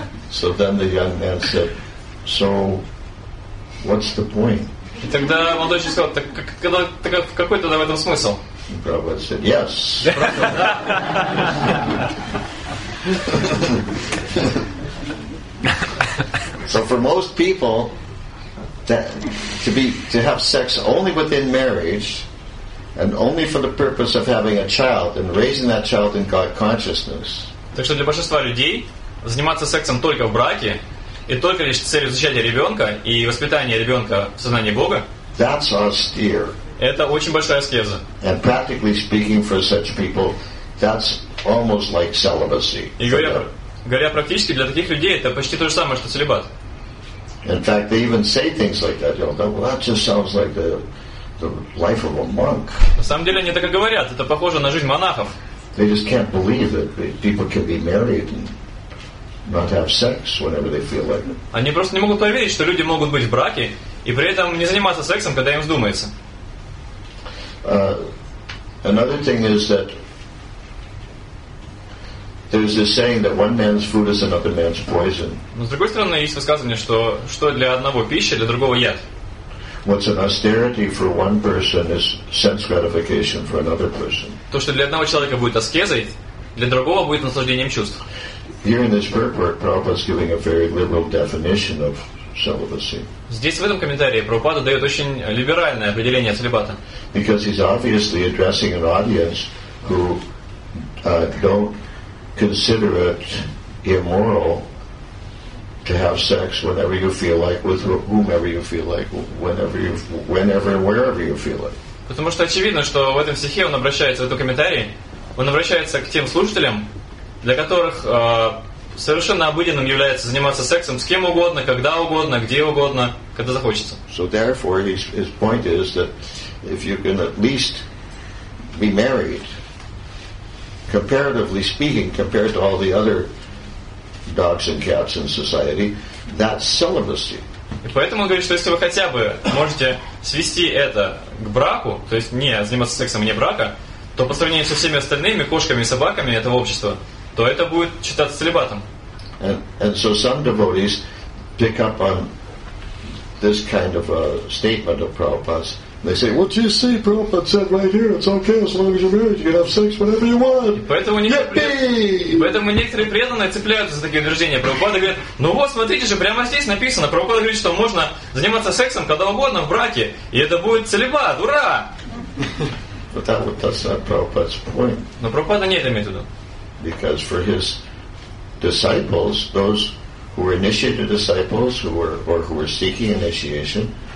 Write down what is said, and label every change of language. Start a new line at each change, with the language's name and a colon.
English: So then the young man said, so what's the point?
Russian: И тогда молодой человек сказал, так, так какой тогда в этом смысл?
English: And Prabhupada said, yes. So for most people, that, to have sex only within marriage and only for the purpose of having a child and raising that child in God consciousness.
Russian: Так что для большинства людей заниматься сексом только в браке и только лишь с целью зачатия ребенка и воспитания ребенка в сознании Бога.
English: That's austere.
Russian: Это очень большая аскеза.
English: And practically speaking, for such people, that's almost like celibacy.
Russian: И говоря практически, для таких людей это почти то же самое, что целибат.
English: In fact, they even say things like that. You know, well, that just sounds like the life of a monk.
Russian: На самом деле они так и говорят. Это похоже на жизнь монахов.
English: They just can't believe that people can be married and not have sex whenever they feel like it.
Russian: Они просто не могут поверить, что люди могут быть в браке и при этом не заниматься сексом, когда им вздумается.
English: Another thing is that there's this saying that one man's food is another man's poison.
Russian: Но с другой стороны, есть высказывание, что что для одного пища, для другого яд.
English: What's an austerity for one person is sense gratification for another person.
Russian: То, что для одного человека будет аскезой, для другого будет наслаждением чувств.
English: Here in this work, Prabhupada's giving a very liberal definition of celibacy.
Russian: Здесь в этом комментарии Прабхупада дает очень либеральное определение целибата.
English: Because he's obviously addressing an audience who don't consider it immoral to have sex whenever you feel like, with whomever you feel like, whenever and wherever you feel like.
Russian: Потому что очевидно, что в этом стихе он обращается в этот комментарий, он обращается к тем слушателям, для которых совершенно обыденным является заниматься сексом с кем угодно, когда угодно, где угодно, когда захочется.
English: So therefore, his point is that if you can at least be married, comparatively speaking, compared to all the other dogs and cats in society, that's celibacy.
Russian: И поэтому он говорит, что если вы хотя бы можете свести это к браку, то есть не заниматься сексом вне брака, то по сравнению со всеми остальными кошками и собаками этого общества, то это будет считаться целибатом.
English: And so some devotees pick up on this kind of a statement of Prabhupada's. They say, "What do you see? Prabhupada said right here, it's okay as long as you're married, you can have sex whenever you want."
Russian: Поэтому некоторые преданные цепляются за такие утверждения. Прабхупада говорит, "Ну вот, смотрите же, прямо здесь написано. Прабхупада говорит, что можно заниматься сексом когда угодно в браке, и это будет целибат. Ура!"
English: But that's not Prabhupada's point.
Russian: Но Прабхупада не это имеет в виду.
English: Because for his disciples, those who were initiated disciples, who were seeking initiation.